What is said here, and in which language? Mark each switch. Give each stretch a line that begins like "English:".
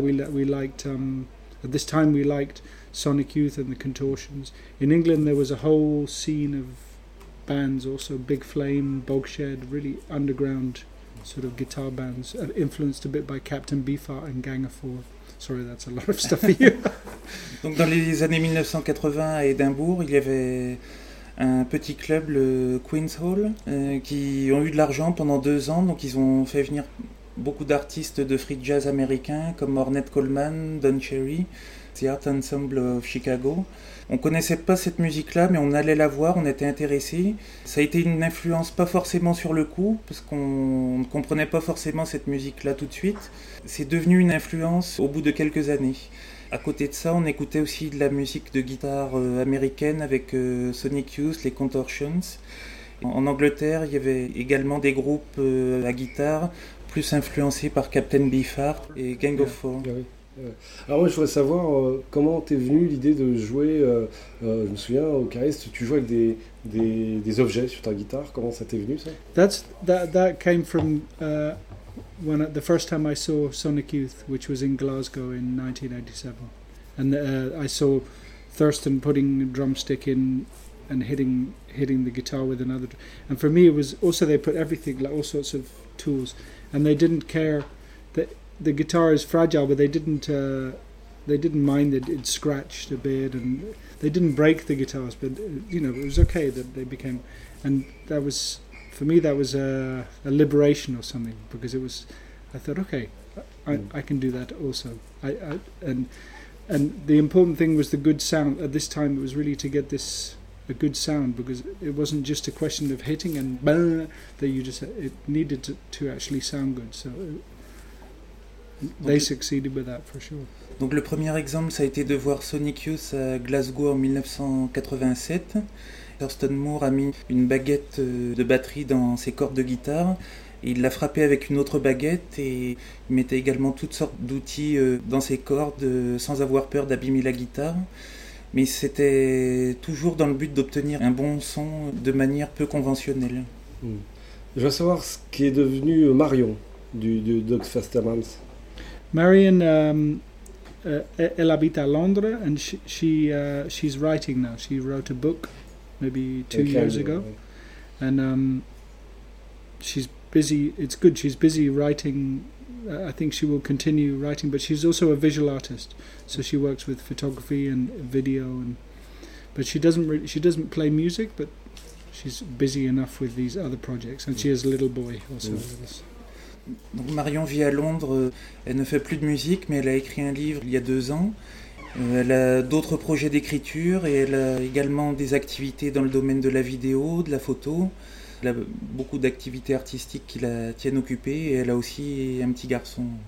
English: We liked at this time we liked Sonic Youth and the Contortions. In England, there was a whole scene of bands, also Big Flame, Bogshed, really underground sort of guitar bands, influenced a bit by Captain Beefheart and Gang of Four. Sorry, that's a lot of stuff for you.
French: Donc, dans les années 1980 à Édimbourg, il y avait un petit club, le Queen's Hall, qui ont eu de l'argent pendant 2 ans, donc ils ont fait venir beaucoup d'artistes de free jazz américains comme Ornette Coleman, Don Cherry, The Art Ensemble of Chicago. On connaissait pas cette musique-là, mais on allait la voir, on était intéressés. Ça a été une influence pas forcément sur le coup, parce qu'on ne comprenait pas forcément cette musique-là tout de suite. C'est devenu une influence au bout de quelques années. À côté de ça, on écoutait aussi de la musique de guitare américaine avec Sonic Youth, les Contortions. En Angleterre, il y avait également des groupes à guitare, plus influencés par Captain Beefheart et Gang of Four. Alors moi je voudrais savoir comment t'es venue l'idée de jouer, je me souviens au Charest, tu jouais avec des objets sur ta guitare, comment ça t'est venu ça? That came from when the first time I saw Sonic Youth, which was in Glasgow in 1987, and I saw Thurston putting a drumstick in and hitting the guitar with another, and for me it was also they put everything, like all sorts of tools, and they didn't care that the guitar is fragile, but they didn't mind that it scratched a bit, and they didn't break the guitars, but you know, it was okay that they became, and that was, for me, that was a liberation or something, because it was, I thought, okay, I can do that also. And the important thing was the good sound. At this time, it was really to get this a good sound, because it wasn't just a question of hitting and bang, that you just, it needed to actually sound good. So they succeeded with that for sure. Donc le premier exemple, ça a été de voir Sonic Youth à Glasgow en 1987. Thurston Moore a mis une baguette de batterie dans ses cordes de guitare. Et il l'a frappé avec une autre baguette et il mettait également toutes sortes d'outils dans ses cordes sans avoir peur d'abîmer la guitare. Mais c'était toujours dans le but d'obtenir un bon son de manière peu conventionnelle. Je veux savoir ce qui est devenu Marion du Doug Festermans. Marion, elle habite à Londres
English: and she's writing now. She wrote a book maybe two years ago, and she's busy. It's good. She's busy writing. I think she will continue writing, but she's also a visual artist, so she works with photography and video. And but she doesn't play music, but she's busy enough with these other projects. And she has a little boy also with us.
French: Donc Marion vit à Londres. Elle ne fait plus de musique, mais elle a écrit un livre il y a 2 ans. Elle a d'autres projets d'écriture et elle a également des activités dans le domaine de la vidéo, de la photo. Elle a beaucoup d'activités artistiques qui la tiennent occupée et elle a aussi un petit garçon.